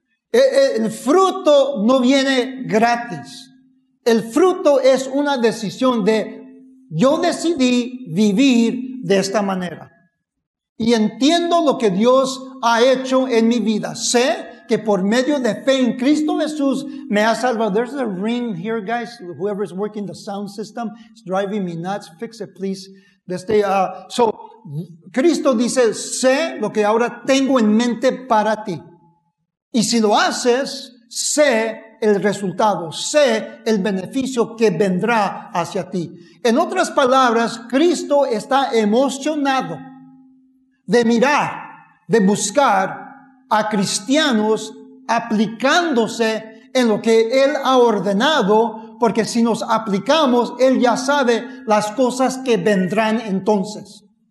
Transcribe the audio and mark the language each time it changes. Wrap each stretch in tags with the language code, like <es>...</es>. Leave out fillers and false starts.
<es>El fruto no viene gratis. El fruto es una decisión de yo decidí vivir de esta manera. Y entiendo lo que Dios ha hecho en mi vida. Sé que por medio de fe en Cristo Jesús me ha salvado.</es> <en>There's a ring here, guys. Whoever is working the sound system is driving me nuts. Fix it, please.</en> <es>So, Cristo dice, sé lo que ahora tengo en mente para ti. Y si lo haces, sé el resultado, sé el beneficio que vendrá hacia ti. En otras palabras, Cristo está emocionado de mirar, de buscar a cristianos aplicándose en lo que Él ha ordenado, porque si nos aplicamos, Él ya sabe las cosas que vendrán entonces.</es>